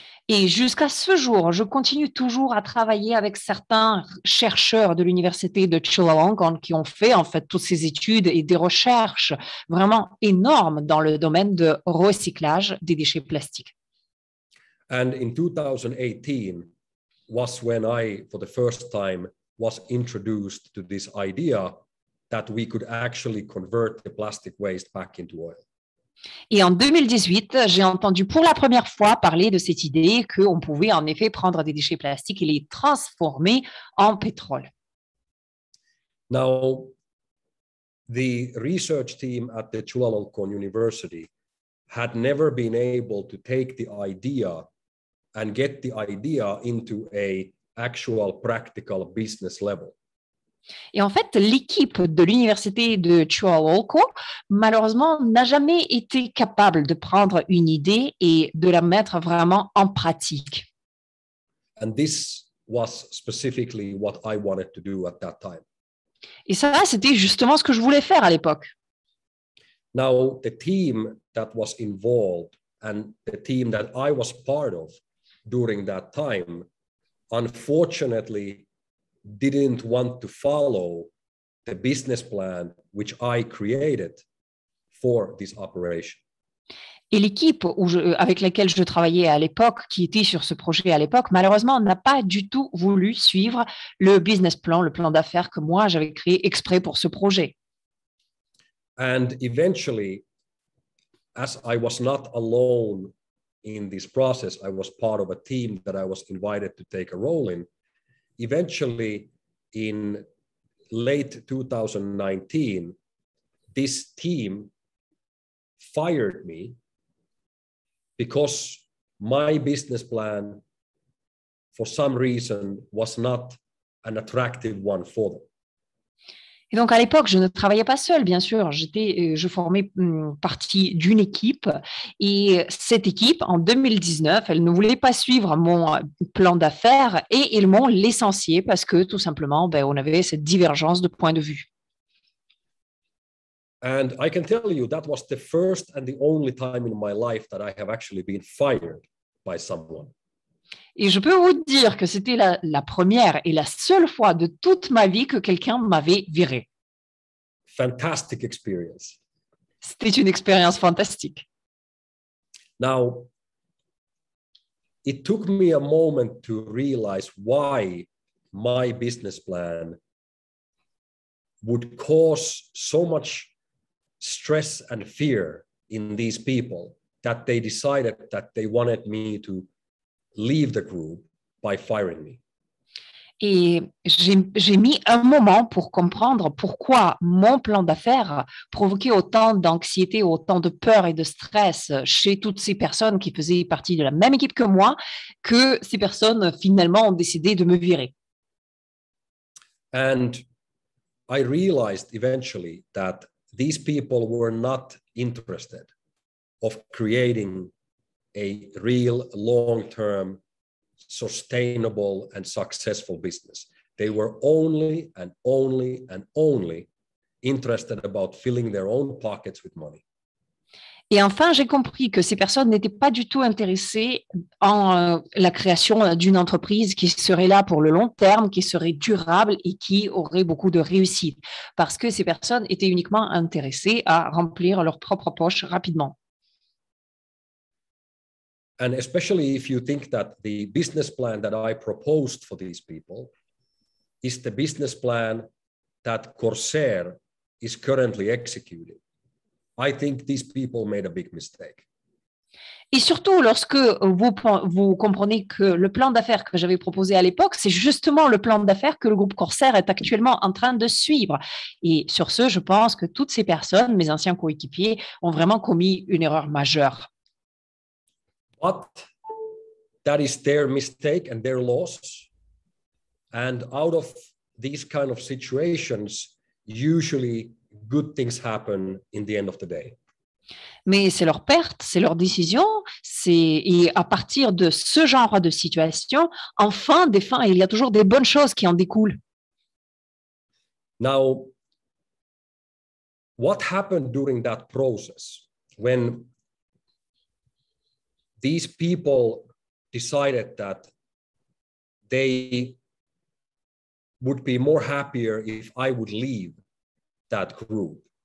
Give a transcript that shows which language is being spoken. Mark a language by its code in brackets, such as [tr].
[fr] Et jusqu'à ce jour, je continue toujours à travailler avec certains chercheurs de l'université de Chulalongkorn qui ont fait en fait toutes ces études et des recherches vraiment énormes dans le domaine de recyclage des déchets plastiques. [en] And in 2018 was when I, for the first time, was introduced to this idea that we could actually convert the plastic waste back into oil. [fr] Et en 2018, j'ai entendu pour la première fois parler de cette idée qu'on pouvait en effet prendre des déchets plastiques et les transformer en pétrole. [en] Now, the research team at the Chulalongkorn University had never been able to take the idea and get the idea into a actual practical business level. [fr] Et en fait, l'équipe de l'université de Chulalongkorn, malheureusement, n'a jamais été capable de prendre une idée et de la mettre vraiment en pratique. [en] And this was specifically what I wanted to do at that time. [fr] Et ça, c'était justement ce que je voulais faire à l'époque. [en] Now, the team that was involved and the team that I was part of during that time, unfortunately, didn't want to follow the business plan which I created for this operation. [fr] Et l'équipe avec laquelle je travaillais à l'époque, qui était sur ce projet à l'époque, malheureusement, n'a pas du tout voulu suivre le business plan, le plan d'affaires que moi, j'avais créé exprès pour ce projet. [en] And eventually, as I was not alone in this process, I was part of a team that I was invited to take a role in. Eventually, in late 2019, this team fired me because my business plan, for some reason, was not an attractive one for them. [fr] Et donc, à l'époque, je ne travaillais pas seul, bien sûr. Je formais partie d'une équipe. Et cette équipe, en 2019, elle ne voulait pas suivre mon plan d'affaires et ils m'ont licencié parce que, tout simplement, ben, on avait cette divergence de point de vue. [en] And I can tell you that was the first and the only time in my life that I have actually been fired by someone. [fr] Et je peux vous dire que c'était la première et la seule fois de toute ma vie que quelqu'un m'avait viré. [en] Fantastic experience. [fr] C'était une expérience fantastique. [en] Now, it took me a moment to realize why my business plan would cause so much stress and fear in these people that they decided that they wanted me to leave the group by firing me. [fr] Et j'ai mis un moment pour comprendre pourquoi mon plan d'affaires provoquait autant d'anxiété, autant de peur et de stress chez toutes ces personnes qui faisaient partie de la même équipe que moi, que ces personnes finalement ont décidé de me virer. [en] And I realized eventually that these people were not interested of creating a real long-term, sustainable and successful business. They were only and only and only interested about filling their own pockets with money. [fr] Et enfin, j'ai compris que ces personnes n'étaient pas du tout intéressées en la création d'une entreprise qui serait là pour le long terme, qui serait durable et qui aurait beaucoup de réussite, parce que ces personnes étaient uniquement intéressées à remplir leur propre poche rapidement. [en] And especially if you think that the business plan that I proposed for these people is the business plan that Corsair is currently executing, I think these people made a big mistake. [fr] Et surtout lorsque vous comprenez que le plan d'affaires que j'avais proposé à l'époque, c'est justement le plan d'affaires que le groupe Corsair est actuellement en train de suivre. Et sur ce, je pense que toutes ces personnes, mes anciens coéquipiers, ont vraiment commis une erreur majeure. [en] But that is their mistake and their loss. And out of these kind of situations, usually good things happen in the end of the day. [fr] Mais c'est leur perte, c'est leur décision, et à partir de ce genre de situation, enfin, des fins, il y a toujours des bonnes choses qui en découlent. [en] Now, what happened during that process when these people decided that they would be more happier if I would leave that group?